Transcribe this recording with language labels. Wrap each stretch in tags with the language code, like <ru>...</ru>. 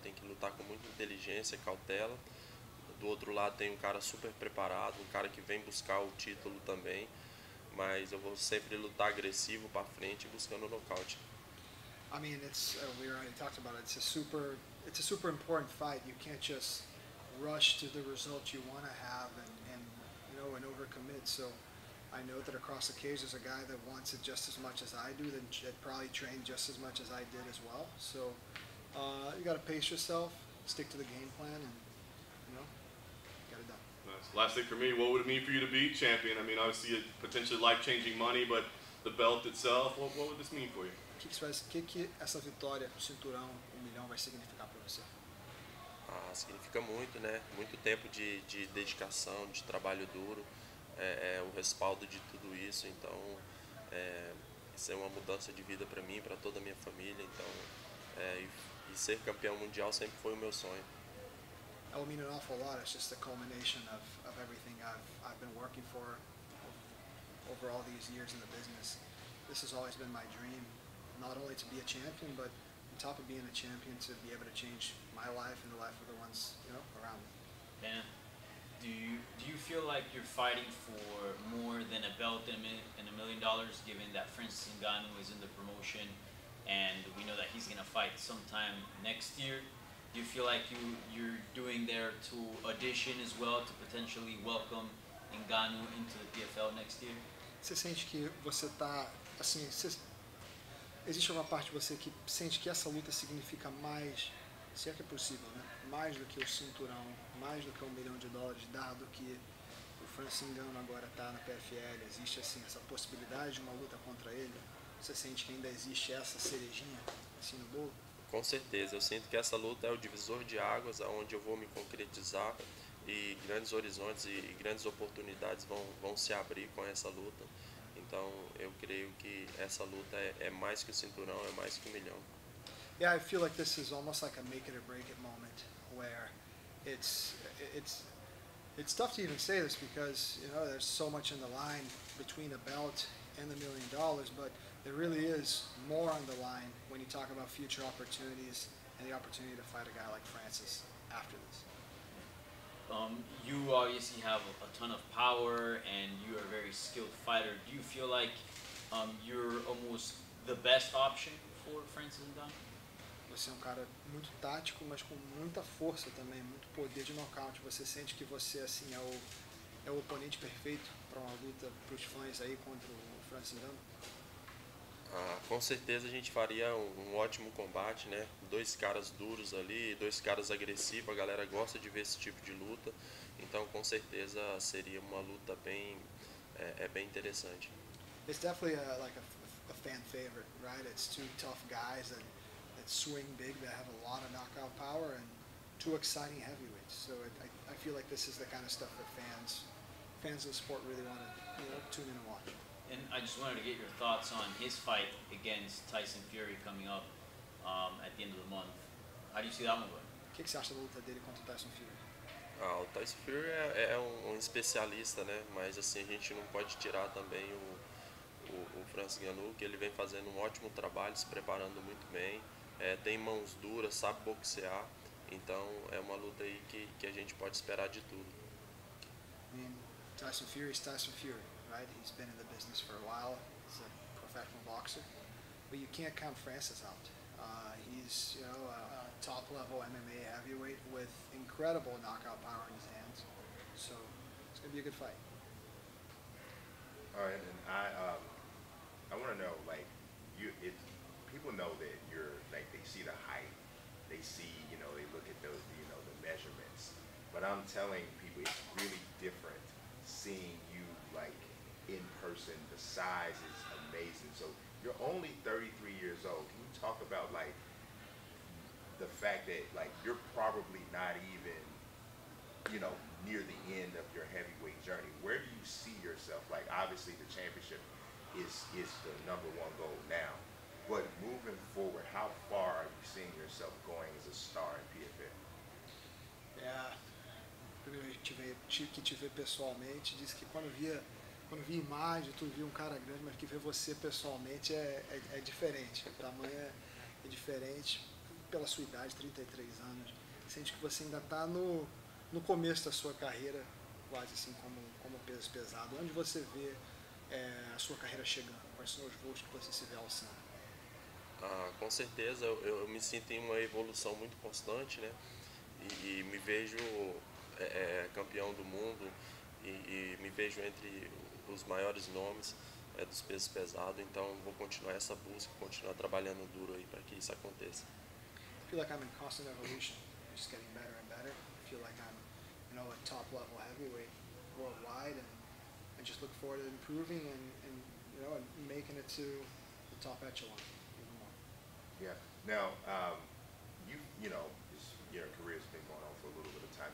<pt>Tem que lutar com muita inteligência e cautela. Do outro lado tem um cara super preparado, um cara que vem buscar o título também. Mas eu vou sempre lutar agressivo para frente buscando o nocaute.</pt> <en>I mean, we already talked about it. It's a super important fight. You can't just rush to the result you want to have and you know, and overcommit. So I know that across the cage there's a guy that wants it just as much as I do, that probably trained just as much as I did as well. So you got to pace yourself, stick to the game plan, and you know, get it done. Last thing for me, what would it mean for you to be champion? I mean, obviously, potentially life-changing money, but the belt itself, what would this mean for you?</en> <pt>O que essa vitória, o cinturão, $1 million, vai significar para você? Ah, significa muito, né? Muito tempo de dedicação, de trabalho duro, o respaldo de tudo isso. Então, isso é uma mudança de vida para mim, para toda a minha família. Então, e ser campeão mundial sempre foi o meu sonho.</pt> <en>That would mean an awful lot. It's just the culmination of everything I've been working for over all these years in the business. This has always been my dream, not only to be a champion, but on top of being a champion, to be able to change my life and the life of the ones, you know, around me. Ben, do you feel like you're fighting for more than a belt and $1 million, given that Francis Ngannou is in the promotion and we know that he's going to fight sometime next year? Do you feel like you're doing there to audition as well, to potentially welcome Ngannou into the PFL next year?</en> <pt>Você sente que você está, assim, existe alguma parte de você que sente que essa luta significa mais, se é que é possível, né? Mais do que o cinturão, mais do que $1 million, dado que o Francis Ngannou agora está na PFL, existe assim essa possibilidade de uma luta contra ele? Você sente que ainda existe essa cerejinha assim no bolo? Com certeza, eu sinto que essa luta é o divisor de águas, aonde eu vou me concretizar e grandes horizontes e grandes oportunidades vão se abrir com essa luta. Então, eu creio que essa luta é mais que o cinturão, é mais que o $1 million.</pt> <en>Yeah, I feel like this is almost like a make it or break it moment where it's tough to even say this because, you know, there's so much in the line between the belt and the $1 million, but there really is more on the line when you talk about future opportunities and the opportunity to fight a guy like Francis after this. You obviously have a ton of power and you are a very skilled fighter. Do you feel like you're almost the best option for Francis Ngannou?</en> <pt>Você é um cara muito tático, mas com muita força também, muito poder de nocaute. Você sente que você assim é o oponente perfeito para uma luta para os fãs aí contra o Francis Ngannou? Ah, com certeza a gente faria um ótimo combate, né? Dois caras duros ali, dois caras agressivos, a galera gosta de ver esse tipo de luta. Então, com certeza seria uma luta bem interessante.</pt> <en>It's definitely a fan favorite, right? It's two tough guys that swing big, that have a lot of knockout power and two exciting heavyweights. So, I feel like this is the kind of stuff that fans of the sport really want to, you know, tune in and watch. And I just wanted to get your thoughts on his fight against Tyson Fury coming up at the end of the month. How do you see that one going?</en> <pt>O que você acha da luta dele contra o Tyson Fury? Ah, o Tyson Fury é um especialista, né? Mas assim, a gente não pode tirar também o Francis Ngannou, que ele vem fazendo um ótimo trabalho, se preparando muito bem. Tem mãos duras, sabe boxear. Então é uma luta aí que a gente pode esperar de tudo.</pt> <en>Tyson Fury is Tyson Fury. Right, he's been in the business for a while. He's a professional boxer, but you can't count Francis out. He's, you know, a top-level MMA heavyweight with incredible knockout power in his hands. So it's gonna be a good fight. All right, and I want to know, like, people know that you're like, they see the height, they see, you know, they look at those, you know, the measurements. But I'm telling people, it's really different seeing you like. In person, the size is amazing. So you're only 33 years old. Can you talk about like the fact that like you're probably not even, you know, near the end of your heavyweight journey? Where do you see yourself? Like obviously the championship is the number one goal now, but moving forward, how far are you seeing yourself going as a star in PFL? Yeah.</en> <pt>Primeiro que te ver pessoalmente, disse que quando vi imagem, tu vi um cara grande, mas que ver você pessoalmente é diferente. O tamanho é diferente pela sua idade, 33 anos. Sente que você ainda está no começo da sua carreira, quase assim como peso pesado. Onde você vê a sua carreira chegando? Quais são os voos que você se vê alçando? Ah, com certeza, eu me sinto em uma evolução muito constante, né? E me vejo campeão do mundo e me vejo entre os maiores nomes dos pesos pesados, então vou continuar essa busca, continuar trabalhando duro aí para que isso aconteça.</pt> <en>I feel like I'm in constant evolution, just getting better and better. I feel like I'm, you know, a top level heavyweight worldwide, and I just look forward to improving and you know, and making it to the top echelon even more. Yeah. Now, you know, your career has been going on for a little bit of time.</en>